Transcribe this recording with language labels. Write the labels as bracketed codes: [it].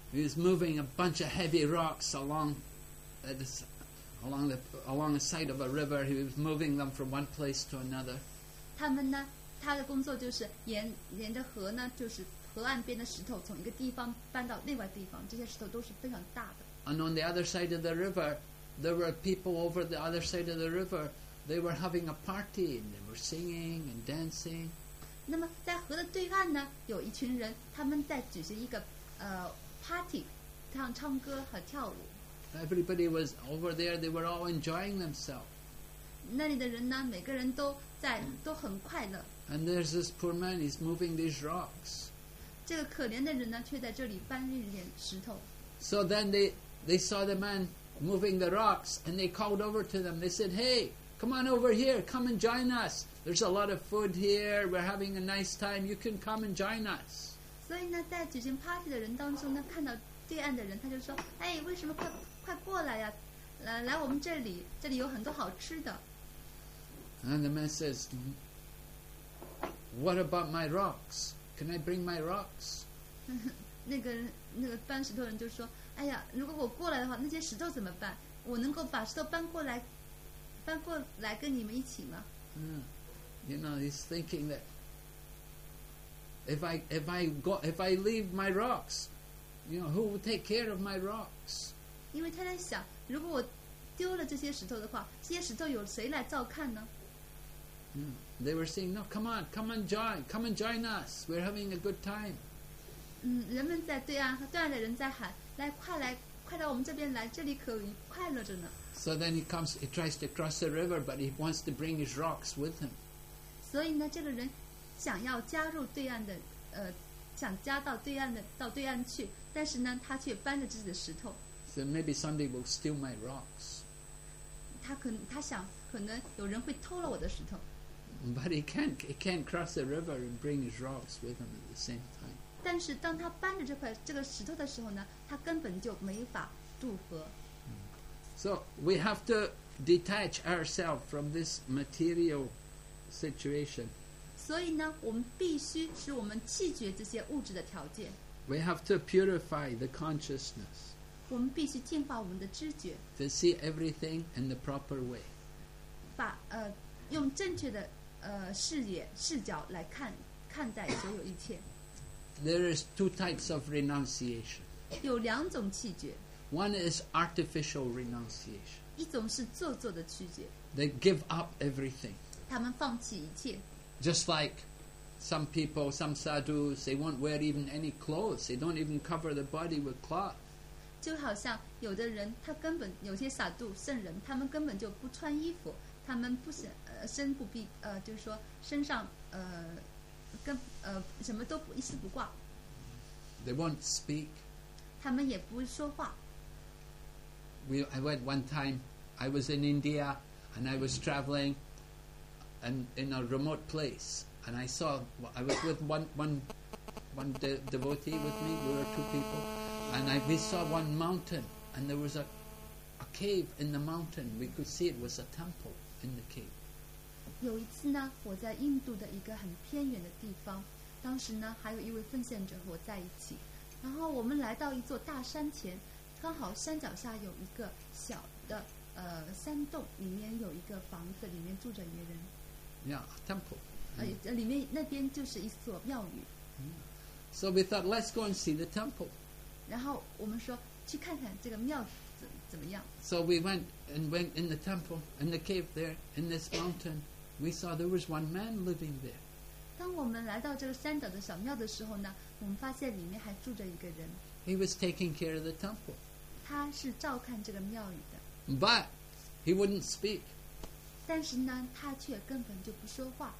[en] He was moving a bunch of heavy rocks along the side of a river. He was moving them from one place to another. [zh] 他们呢，他的工作就是沿着河呢，就是河岸边的石头从一个地方搬到另外地方。这些石头都是非常大的。 [en] And on the other side of the river, there were people over the other side of the river. They were having a party and they were singing and dancing. [zh] 那么在河的对岸呢，有一群人，他们在举行一个party， 唱唱歌和跳舞。 [en] Everybody was over there. They were all enjoying themselves. [zh] 那里的人呢，每个人都在都很快乐。 [en] And there's this poor man. He's moving these rocks. [zh] 这个可怜的人呢，却在这里搬一点石头。 [en] So then they saw the man moving the rocks, and they called over to them. They said, "Hey, come on over here. Come and join us. There's a lot of food here. We're having a nice time. You can come and join us." [zh] 所以呢，在举行 party 的人当中呢，看到对岸的人，他就说，哎，为什么快过来呀？来我们这里，这里有很多好吃的。 [en] And the man says, "What about my rocks? Can I bring my rocks?" [zh] 那个搬石头人就说，哎呀，如果我过来的话，那些石头怎么办？我能够把石头搬过来跟你们一起吗？ [en] 嗯， you know, he's thinking that if I leave my rocks, you know, who will take care of my rocks? [zh] 因为他在想，如果我丢了这些石头的话，这些石头有谁来照看呢？ [en] They were saying, "No, come and join us. We're having a good time." [zh] 人们在对岸的人在喊，来，快来，快到我们这边来，这里可快乐着呢。 [en] So then he comes, he tries to cross the river, but he wants to bring his rocks with him. [zh] 所以呢，这个人想要加入对岸的，想加到对岸的，到对岸去，但是呢，他却搬着自己的石头。 [en] So maybe somebody will steal my rocks. [zh] 他想，可能有人会偷了我的石头。 [en] But he can't cross the river and bring his rocks with him at the same time. [zh] 但是当他搬着这个石头的时候呢，他根本就没法渡河。 [en] So we have to detach ourselves from this material situation. [zh] 所以呢，我们必须使我们弃绝这些物质的条件。 [en] We have to purify the consciousness. [zh] 我们必须净化我们的知觉。 [en] To see everything in the proper way. [zh] 把用正确的视野视角来看待所有一切。 [en] There is two types of renunciation. [zh] 有两种弃绝。 [en] One is artificial renunciation. [zh] 一种是做作的弃绝。 [en] They give up everything. [zh] 他们放弃一切。 [en] Just like some people, some sadhus, they won't wear even any clothes. They don't even cover the body with cloth. [zh] 就好像有的人，他根本有些傻度圣人，他们根本就不穿衣服，他们不想身不必就是说身上跟什么都不一丝不挂。 [en] They won't speak. [zh] 他们也不说话。 [en] I went one time, I was in India, and I was traveling in a remote place. And I saw, I was with one devotee with me, we were two people. And we saw one mountain, and there was a cave in the mountain. We could see it was a temple in the cave. [zh] 有一次呢，我在印度的一个很偏远的地方，当时呢，还有一位奉献者和我在一起。然后我们来到一座大山前，刚好山脚下有一个小的山洞，里面有一个房子，里面住着一个人。 [en] Yeah, temple. [zh] 里面那边就是一座庙宇。 [en] So we thought, let's go and see the temple. [zh] 然后我们说去看看这个庙怎么样。 [en] So we went in the temple, in the cave there, in this mountain. We saw there was one man living there. [zh] 当我们来到这个山脚的小庙的时候呢，我们发现里面还住着一个人。 [en] He was taking care of the temple. [zh] 他是照看这个庙宇的。 [en] But he wouldn't speak. [zh] 但是呢，他却根本就不说话。